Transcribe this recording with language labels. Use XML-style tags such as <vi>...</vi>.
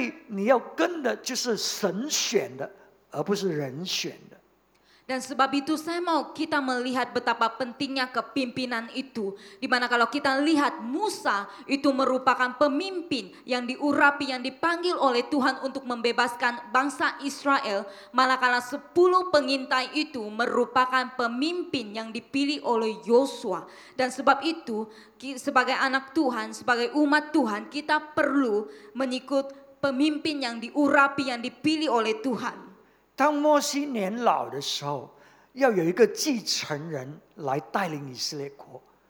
<zh>所以我要你明白这个领导的这个重要，还有这个过程是怎么样的。摩西他是神拣选带领整个以色列，神拣选的。这十二个探子他们是领袖，可是这十二个探子是人选的，来带领以色列人。所以你要跟的就是神选的。而不是人选的。</zh> <ms>Dan sebab itu saya mau kita melihat betapa pentingnya kepimpinan itu. Di mana kalau kita lihat Musa itu merupakan pemimpin yang diurapi, yang dipanggil oleh Tuhan untuk membebaskan bangsa Israel. Manakala 10 pengintai itu merupakan pemimpin yang dipilih oleh Yosua. Dan sebab itu sebagai anak Tuhan, sebagai umat Tuhan, kita perlu mengikut pemimpin yang diurapi, yang dipilih oleh Tuhan.</ms> <zh>当摩西年老的时候，要有一个继承人来带领以色列国。</zh>